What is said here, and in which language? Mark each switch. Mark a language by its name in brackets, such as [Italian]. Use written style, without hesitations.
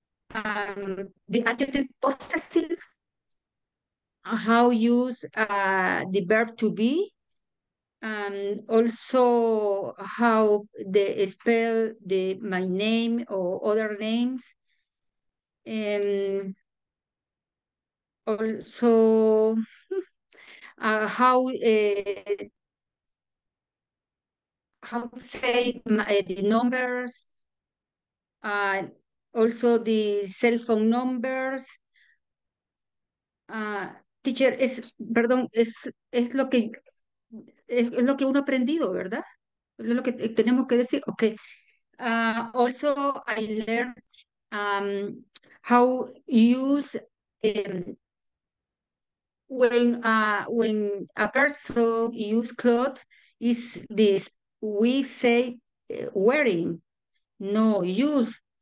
[English] the adjective possessive, how use the verb to be, also how they spell the my name or other names, and also how to say the numbers, also the cell phone numbers. [Spanish] Teacher, es lo que uno ha aprendido, ¿verdad? Es lo que tenemos que decir. Okay. [English] Also, I learned how use when a person use clothes is this we say wearing, no use.